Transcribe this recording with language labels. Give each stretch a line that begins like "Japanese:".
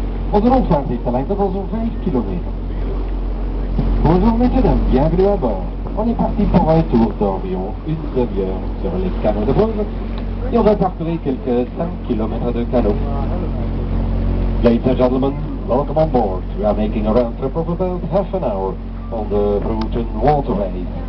Dutch: Onze rondvaart heeft een lengte van zo'n 5 kilometer.
French: Bonjour messieurs, bienvenue à bord. On est parti pour un tour d'environ une demi-heure sur les canaux de Bruges et on va parcourir quelques 5 kilomètres de canaux.
English: Ladies and gentlemen, welcome on board. We are making a round trip of about half an hour on the Bruges waterways.